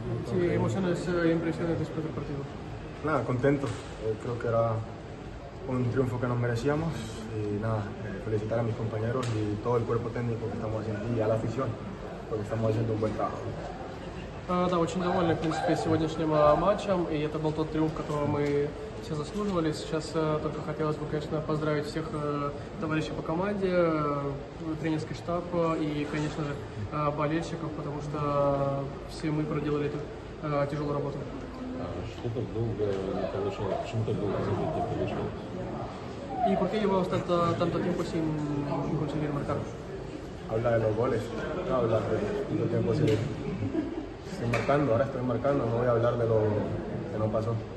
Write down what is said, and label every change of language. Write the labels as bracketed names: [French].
[Spanish] Sí, emociones y impresiones después del partido. Nada, contento. Creo que era un triunfo que nos merecíamos. Y nada, felicitar a mis compañeros y todo el cuerpo técnico que estamos haciendo y a la afición, porque estamos haciendo un buen trabajo. [Russian] Да, очень довольны, в принципе, сегодняшним матчем, и это был тот триумф, которого мы все заслуживали. Сейчас только хотелось бы, конечно, поздравить всех товарищей по команде, тренерский штаб и, конечно же, болельщиков, потому что все мы проделали эту тяжелую работу. А что-то долго не получилось, почему-то долго забить не получилось? [Spanish] И por qué llevamos tanto tiempo sin conseguir marcar? Habla de los goles, habla de lo que es posible. Estoy marcando, ahora estoy marcando, no voy a hablar de lo que no pasó.